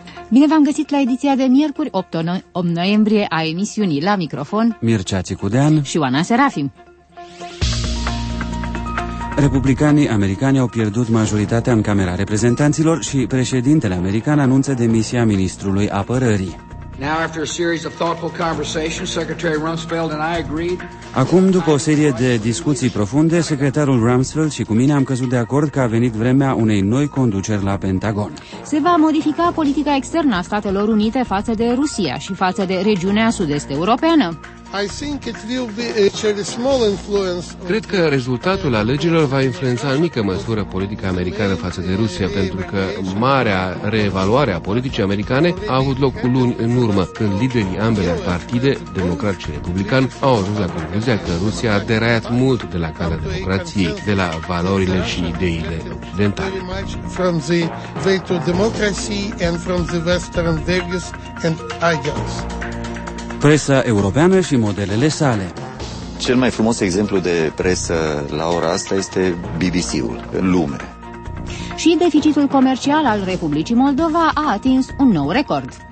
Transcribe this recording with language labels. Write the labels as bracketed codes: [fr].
[ro] Bine v-am găsit la ediția de miercuri, 8 noiembrie, a emisiunii La microfon Mircea Țicudean și Oana Serafim. Republicanii americani au pierdut majoritatea în Camera Reprezentanților și președintele american anunță demisia ministrului apărării. [en] Now after a series of thoughtful conversations, Secretary Rumsfeld and I agreed. [ro] Acum, după o serie de discuții profunde, secretarul Rumsfeld și cu mine am căzut de acord că a venit vremea unei noi conduceri la Pentagon. Se va modifica politica externă a Statelor Unite față de Rusia și față de regiunea sud-est europeană. [en] I think it will be a small influence. [ro] Cred că rezultatul alegerilor va influența în mică măsură politica americană față de Rusia, pentru că marea reevaluare a politicii americane a avut loc cu luni în urmă, când liderii ambelor partide, democrat și republican, au ajuns la concluzia că Rusia a deraiat mult de la calea democrației, de la valorile și ideile occidentale. [en] From the way to democracy and from the western values and ideals. [ro] Presa europeană și modelele sale. Cel mai frumos exemplu de presă la ora asta este BBC-ul, în lume. Și deficitul comercial al Republicii Moldova a atins un nou record.